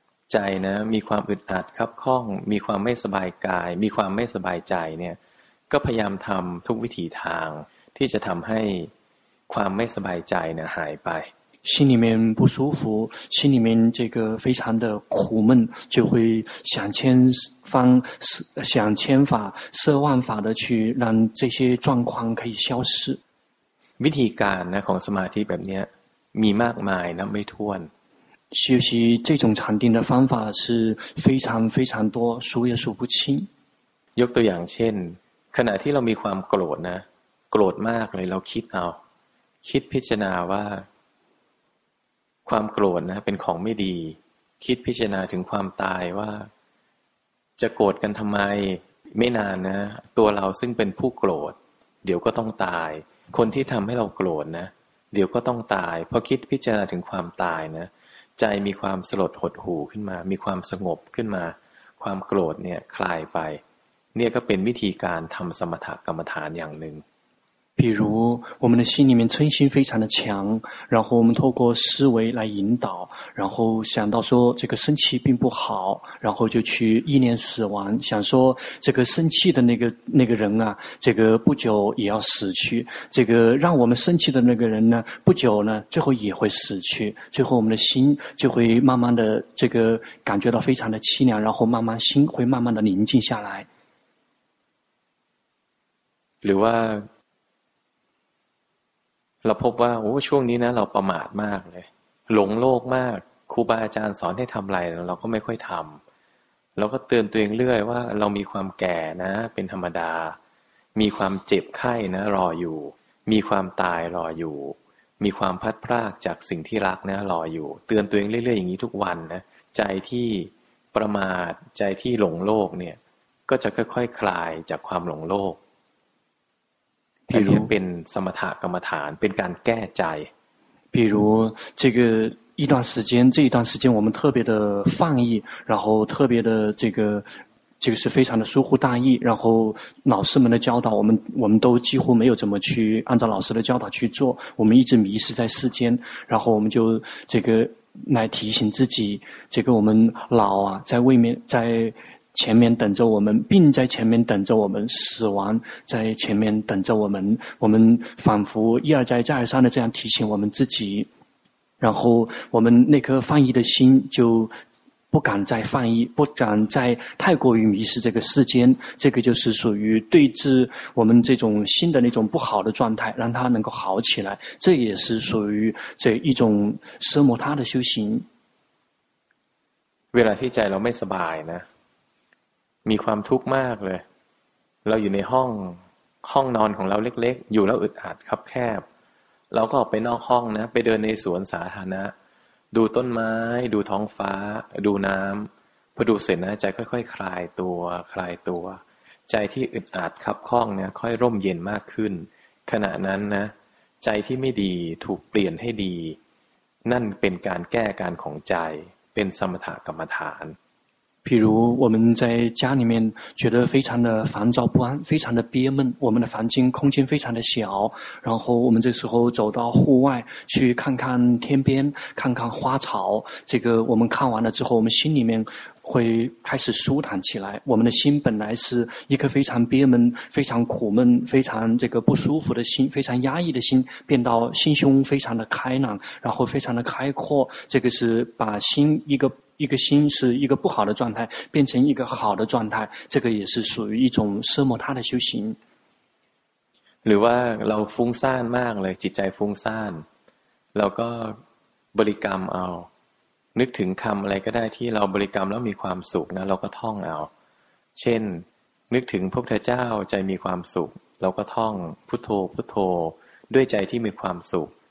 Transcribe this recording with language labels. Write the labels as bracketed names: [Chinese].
[Thai] ใจนะมีความอึดอัดคับข้องมีความไม่สบายกายมีความไม่สบายใจเนี่ยก็พยายามทำทุกวิถีทางที่จะทำให้ความไม่สบายใจเนี่ยหายไป [Chinese] 心里面不舒服心里面这个非常的苦闷就会想千方想千法设万法的去让这些状况可以消失 [Thai] วิธีการนะของสมาธิแบบนี้มีมากมายนับไม่ถ้วน [Chinese] 修习这种禅定的方法是非常非常多数也数不清 [Thai] ยกตัวอย่างเช่นขณะที่เรามีความโกรธนะโกรธมากเลยเราคิดเอาคิดพิจารณาว่าความโกรธนะเป็นของไม่ดีคิดพิจารณาถึงความตายว่า จะโกรธกันทำไมไม่นานนะตัวเราซึ่งเป็นผู้โกรธเดี๋ยวก็ต้องตายคนที่ทำให้เราโกรธนะเดี๋ยวก็ต้องตายพอคิดพิจารณาถึงความตายนะใจมีความสลดหดหู่ขึ้นมามีความสงบขึ้นมาความโกรธเนี่ยคลายไปเนี่ยก็เป็นวิธีการทำสมถกรรมฐานอย่างหนึ่ง [Chinese] 比如我们的心里面嗔心非常的强然后我们透过思维来引导然后想到说这个生气并不好然后就去意念死亡想说这个生气的那个人啊这个不久也要死去这个让我们生气的那个人呢不久呢最后也会死去最后我们的心就会慢慢的这个感觉到非常的凄凉然后慢慢心会慢慢的宁静下来 [Thai] 刘啊เราพบว่าโอ้ช่วงนี้นะเราประมาทมากเลยหลงโลกมากครูบาอาจารย์สอนให้ทำอะไรเราก็ไม่ค่อยทำเราก็เตือนตัวเองเรื่อยว่าเรามีความแก่นะเป็นธรรมดามีความเจ็บไข้นะรออยู่ มีความตายรออยู่มีความพัดพรากจากสิ่งที่รักนะรออยู่เตือนตัวเองเรื่อยๆอย่างนี้ทุกวันนะใจที่ประมาทใจที่หลงโลกเนี่ยก็จะค่อยๆ คลายจากความหลงโลก ที่ เป็นสมถะกรรมฐานเป็นการแก้ใจ [Chinese] 比如这个一段时间这一段时间我们特别的放逸然后特别的这个是非常的疏忽大意然后老师们的教导我们都几乎没有怎么去按照老师的教导去做我们一直迷失在世间然后我们就这个来提醒自己这个我们老啊在未免在前面等着我们病在前面等着我们死亡在前面等着我们我们仿佛一而再再而三的这样提醒我们自己然后我们那颗放逸的心就不敢再放逸不敢再太过于迷失这个世间这个就是属于对治我们这种心的那种不好的状态让它能够好起来这也是属于这一种奢摩他的修行 [Thai] เวลาที่ใจเราไม่สบายนะมีความทุกข์มากเลยเราอยู่ในห้องนอนของเราเล็กๆอยู่แล้วอึดอัดครับแคบ เราก็ออกไปนอกห้องนะไปเดินในสวนสาธารณะดูต้นไม้ดูท้องฟ้าดูน้ำพอดูเสร็จนะใจค่อยๆคลายตัวใจที่อึดอัดคับข้องเนี่ยค่อยร่มเย็นมากขึ้นขณะนั้นนะใจที่ไม่ดีถูกเปลี่ยนให้ดีนั่นเป็นการแก้การของใจเป็นสมถกรรมฐาน [Chinese] 比如我们在家里面觉得非常的烦躁不安非常的憋闷我们的房间空间非常的小然后我们这时候走到户外去看看天边看看花草这个我们看完了之后我们心里面会开始舒坦起来我们的心本来是一颗非常憋闷非常苦闷非常这个不舒服的心非常压抑的心变到心胸非常的开朗然后非常的开阔这个是把心一个心是一个不好的状态变成一个好的状态这个也是属于一种奢摩他的修行 [Thai] หรือว่าเราฟุ้งซ่านมากเลยจิตใจฟุ้งซ่านเราก็บริกรรมเอานึกถึงคำอะไรก็ได้ที่เราบริกรรมแล้วมีความสุขนะเราก็ท่องเอาเช่นนึกถึงพระพุทธเจ้าใจมีความสุขเราก็ท่องพุทโธพุทโธด้วยใจที่มีความสุข